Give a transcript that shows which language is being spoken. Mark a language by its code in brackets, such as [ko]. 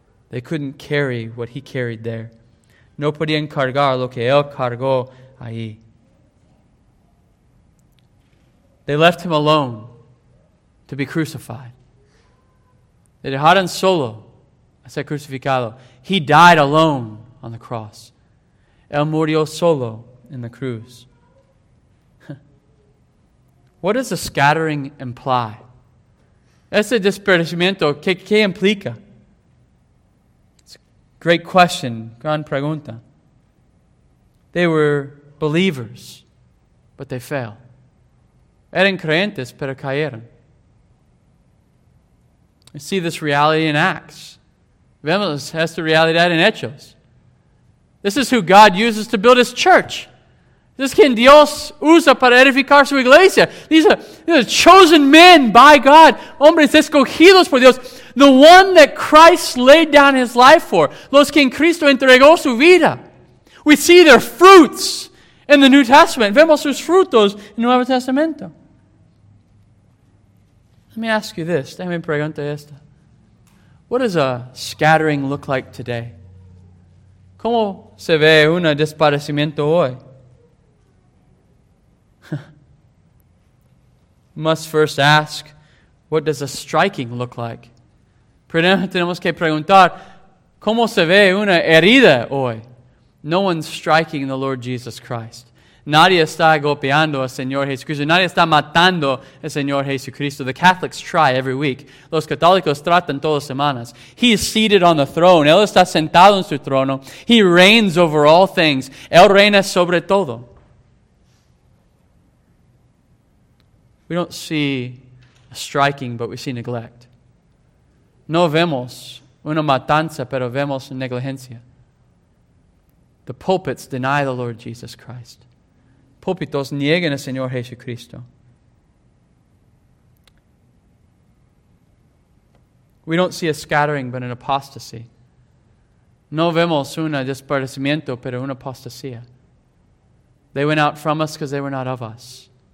[en] They couldn't carry what he carried there. [es] No podían cargar lo que él cargó ahí. [en] They left him alone to be crucified. [es] They dejaron solo a ser crucificado. [en] He died alone on the cross. [es] Él murió solo en la cruz. [en] What does the scattering imply? [es] Ese desperdiciamiento, ¿qué implica? [en] It's a great question, [es] gran pregunta. [en] They were believers, but they failed. [es] Eran creyentes, pero cayeron. [en] We see this reality in Acts. [es] Vemos esta realidad en Hechos. This is who God uses to build his church. This is quien Dios usa para edificar su iglesia. [en] These are chosen men by God. [es] Hombres escogidos por Dios. [en] The one that Christ laid down his life for. [es] Los quien Cristo entregó su vida. [en] We see their fruits in the New Testament. [es] Vemos sus frutos en el Nuevo Testamento. [en] Let me ask you this. [es] Déjame preguntar esto. [en] What does a scattering look like today? [es] ¿Cómo se ve un desaparecimiento hoy? [en] Must first ask, what does a striking look like? [es] Primero tenemos que preguntar, ¿cómo se ve una herida hoy? [en] No one's striking the Lord Jesus Christ. [es] Nadie está golpeando al Señor Jesucristo. Nadie está matando al Señor Jesucristo. [en] The Catholics try every week. [es] Los católicos tratan todas las semanas. [en] He is seated on the throne. [es] Él está sentado en su trono. [en] He reigns over all things. [es] Él reina sobre todo. [en] We don't see a striking, but we see neglect. [es] No vemos una matanza, pero vemos negligencia. [en] The pulpits deny the Lord Jesus Christ. [es] Púlpitos niegan al Señor Jesucristo. [en] We don't see a scattering, but an apostasy. [es] No vemos un desparcimiento, pero una apostasía. [en] They went out from us because they were not of us.